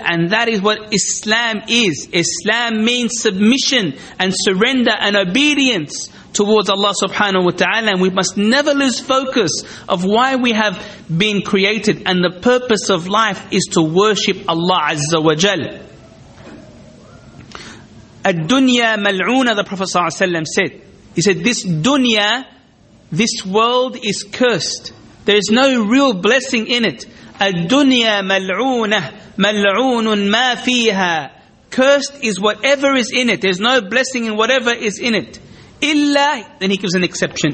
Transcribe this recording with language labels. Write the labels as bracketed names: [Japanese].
[English] And that is what Islam is. Islam means submission and surrender and obedience towards Allah subhanahu wa ta'ala. And we must never lose focus of why we have been created. And the purpose of life is to worship Allah Azza wa Jal. [Arabic] الدُّنْيَا مَلْعُونَ, [English] the Prophet صلى الله عليه وسلم said. He said, this dunya, this world is cursed. There is no real blessing in it. [Arabic] الدُّنْيَا مَلْعُونَ, مَلْعُونٌ مَا فِيهَا. [English] Cursed is whatever is in it. There's no blessing in whatever is in it. إِلَّا, then he gives an exception.